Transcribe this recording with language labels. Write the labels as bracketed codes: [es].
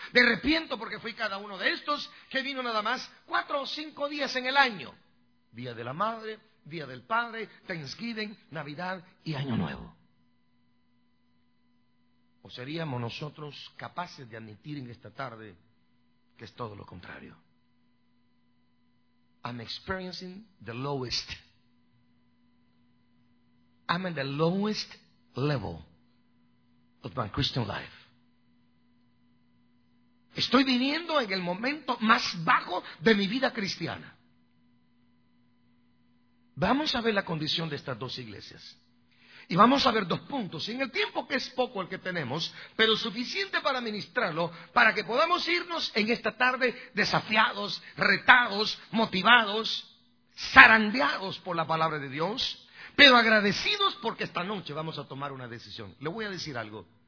[es] Me arrepiento porque fui cada uno de estos que vino nada más 4 o 5 días en el año. Día de la Madre, Día del Padre, Thanksgiving, Navidad y Año Nuevo. ¿O seríamos nosotros capaces de admitir en esta tarde que es todo lo contrario? [en] I'm experiencing the lowest. I'm at the lowest level of my Christian life. [es] Estoy viviendo en el momento más bajo de mi vida cristiana. Vamos a ver la condición de estas dos iglesias. Y vamos a ver 2 puntos. Y en el tiempo que es poco el que tenemos, pero suficiente para ministrarlo, para que podamos irnos en esta tarde desafiados, retados, motivados, zarandeados por la palabra de Dios, pero agradecidos porque esta noche vamos a tomar una decisión. Le voy a decir algo.